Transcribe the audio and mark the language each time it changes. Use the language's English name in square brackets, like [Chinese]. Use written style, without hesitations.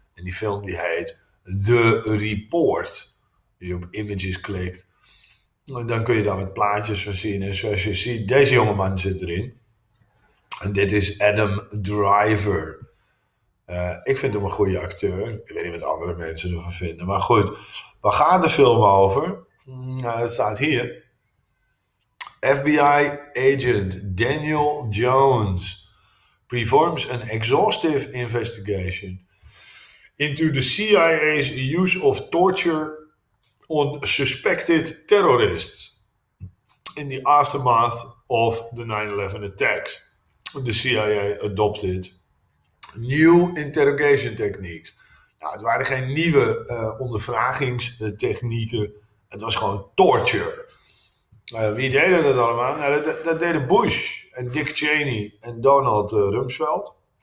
[Dutch] En die film die heet The Report. Als je op images klikt, dan kun je daar wat plaatjes van zien. En zoals je ziet, deze jongeman zit erin. En dit is Adam Driver. Ik vind hem een goede acteur. Ik weet niet wat andere mensen ervan vinden. Maar goed, waar gaat de film over? Nou, dat staat hier. [English] FBI agent Daniel Jones performs an exhaustive investigation into the CIA's use of torture on suspected terrorists in the aftermath of the 9/11 attacks. The CIA adopted new interrogation techniques. [Dutch] Nou, het waren geen nieuwe ondervragingstechnieken, het was gewoon torture. Wie deden dat allemaal? Nou, dat deden Bush en Dick Cheney en Donald Rumsfeld.